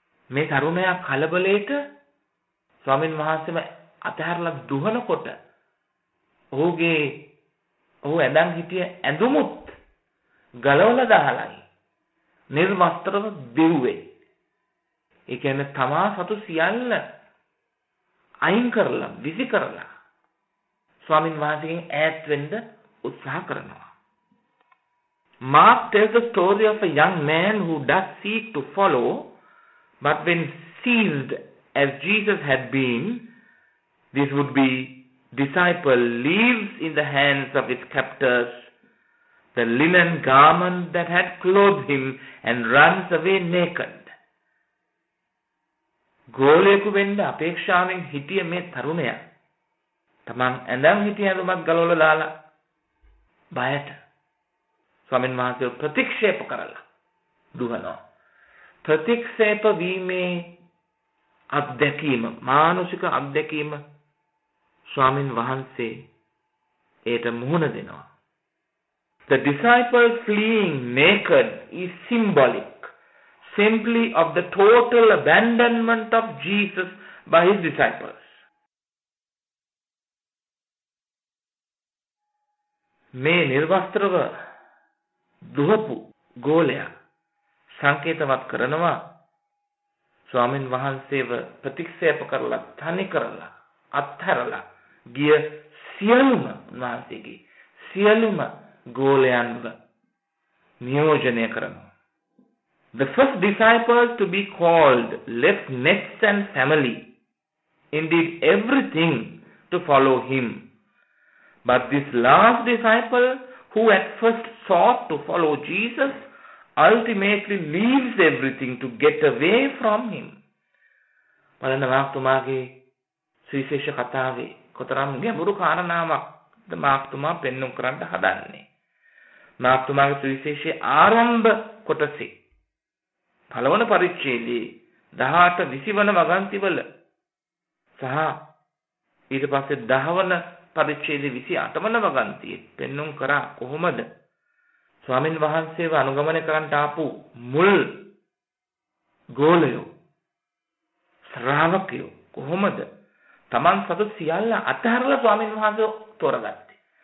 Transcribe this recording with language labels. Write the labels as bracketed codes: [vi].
[si] මේ තරුණයා කලබලේට ස්වාමීන් වහන්සේම අතහැරලා දුහනකොට ඔහුගේ ඔහු ඇඳන් හිටිය ඇඳුමුත් ගලවලා දාලයි නිර්වස්ත්‍රව දිව්වේ. ඒ කියන්නේ තමා සතු සියල්ල අයින් කරලා විසි කරලා ස්වාමින් වහන්සේගෙන් ඈත් වෙන්න උත්සාහ කරනවා. [en] Mark tells the story of a young man who does seek to follow, but when seized as Jesus had been, this would be disciple leaves in the hands of his captors the linen garment that had clothed him and runs away naked. [si] ගෝලයෙකු වෙන්න අපේක්ෂාවෙන් හිටිය මේ තරුණයා තමන් ඇඳන් හිටිය ඇඳුමක් ගලවලා දාලා බයට ස්වාමීන් වහන්සේ ප්‍රතික්ෂේප කරලා දුහනවා. ප්‍රතික්ෂේප වීමේ අත්දැකීම, මානසික අත්දැකීම ස්වාමීන් වහන්සේ එයට මුහුණ දෙනවා. [en] The disciple fleeing naked is symbolic simply of the total abandonment of Jesus by his disciples. [si] මේ නිර්වස්ත්‍රව දුහපු ගෝලයා සංකේතවත් කරනවා ස්වාමීන් වහන්සේව ප්‍රතික්ෂේප කරලා තනි කරලා අත්හැරලා ගිය සියලුම උන්වහන්සේගේ සියලුම ගෝලයන්ව නියෝජනය කරනවා. [en] The first disciple to be called left nets and family, indeed everything to follow him. But this last disciple who at first sought to follow Jesus ultimately leaves everything to get away from him. [si] බලන්න මාතුමාගේ සුවිශේෂ කතාවේ කොතරම් ගැඹුරු කාරණාවක්ද මාතුමා පෙන්වුම් කරන්න හදන්නේ. මාතුමාගේ සුවිශේෂයේ ආරම්භ කොටසේ පළවන පරිච්ඡේදයේ 18 20 වන වගන්තිවල සහ ඊට පස්සේ 10 වන පරිච්ඡේදයේ 28 වන වගන්තියේ පෙන්වුම් කරා කොහොමද ස්වාමින් වහන්සේව අනුගමනය කරන්න ආපු මුල් ගෝලයෝ ශ්‍රාවකයෝ කොහොමද තමන් සතු සියල්ල අතහැරලා ස්වාමින් වහන්සේව තොරගත්තේ?